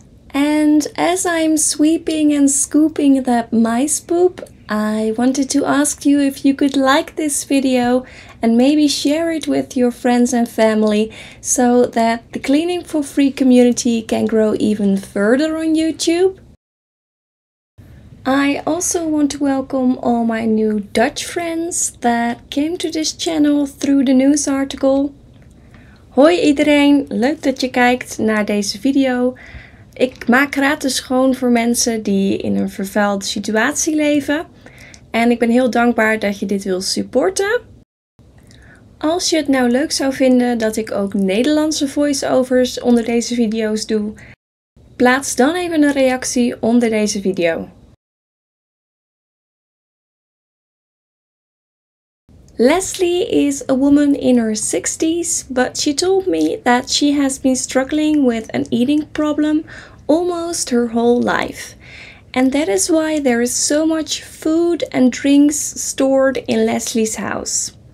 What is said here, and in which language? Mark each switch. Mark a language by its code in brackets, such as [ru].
[en] And as I'm sweeping and scooping that mice poop, I wanted to ask you if you could like this video and maybe share it with your friends and family so that the Cleaning for Free community can grow even further on YouTube. I also want to welcome all my new Dutch friends that came to this channel through the news article. [nl] Hoi iedereen, leuk dat je kijkt naar deze video. Ik maak gratis schoon voor mensen die in een vervuilde situatie leven. En ik ben heel dankbaar dat je dit wil supporten. Als je het nou leuk zou vinden dat ik ook Nederlandse voice-overs onder deze video's doe, plaats dan even een reactie onder deze video. [en] Leslie is a woman in her 60s, but she told me that she has been struggling with an eating problem almost her whole life. And that is why there is so much food and drinks stored in Leslie's house.